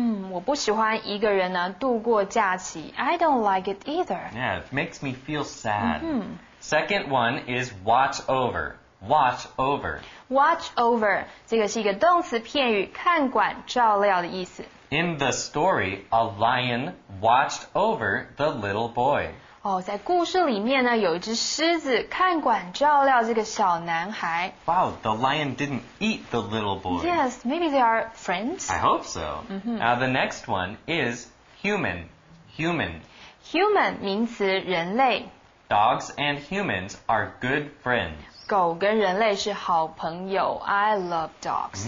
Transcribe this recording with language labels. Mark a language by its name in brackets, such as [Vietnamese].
[Chinese] 我不喜欢一个人呢度过假期。 [English] I don't like it either. Yeah, it makes me feel sad. Second one is watch over. Watch over. Watch over. [Chinese] 这个是一个动词片语，看管、照料的意思。 [English] In the story, a lion watched over the little boy. [Chinese] 在故事里面呢，有一只狮子看管照料这个小男孩。 [English] Wow, the lion didn't eat the little boy. Yes, maybe they are friends. I hope so. Now, the next one is human. Human. [Chinese] Human, 名词人类。 [English] Dogs and humans are good friends. [Chinese] 狗跟人类是好朋友。 [English] I love dogs.